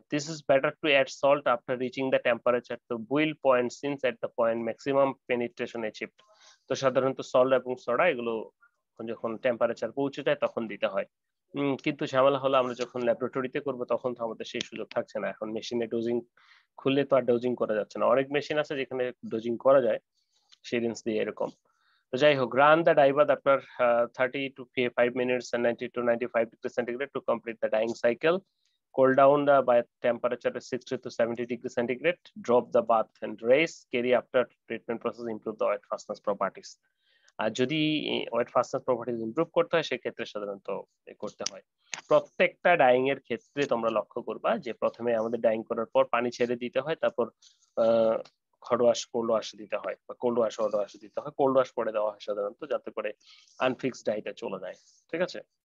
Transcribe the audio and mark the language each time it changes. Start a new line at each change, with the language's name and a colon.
English: this is better to add salt after reaching the temperature to boil point, since at the point maximum penetration achieved,
Bangla: তো সাধারণত salt এবং soda এগুলো যখন temperature পৌঁছে যায় তখন দিতে হয়, কিন্তু ঝামেলা হলো আমরা যখন ল্যাবরেটরিতে করবো তখন তো আমাদের সেই সুযোগ থাকছে না, এখন মেশিনে ডোজিং খুললে তো আর ডোজিং করা যাচ্ছে না, অনেক মেশিন আছে যেখানে ডোজিং করা যায় সিরিঞ্জ দিয়ে এরকম। তো যাই হোক,
English: Run the dye bath after 30 to 5 minutes 90 to 95 degree centigrade to complete the dyeing cycle, cool down the by temperature 60 to 70 degrees centigrade, drop the bath and rinse, carry after treatment process, improve the wet fastness properties.
Bangla: আর যদি wait fastness properties improve করতে হয় সেক্ষেত্রে সাধারণত করতে হয়। প্রত্যেকটা dyeing এর ক্ষেত্রে তোমরা লক্ষ্য করবা যে প্রথমে আমাদের ডাইং করার পর পানি ছেড়ে দিতে হয়, তারপর হট ওয়াশ কোল্ড ওয়াশ দিতে হয় বা কোল্ড ওয়াশ হট ওয়াশ দিতে হয়। কোল্ড ওয়াশ পরে দেওয়া হয় সাধারণত যাতে করে আনফিক্সড ডাইটা চলে যায়, ঠিক আছে।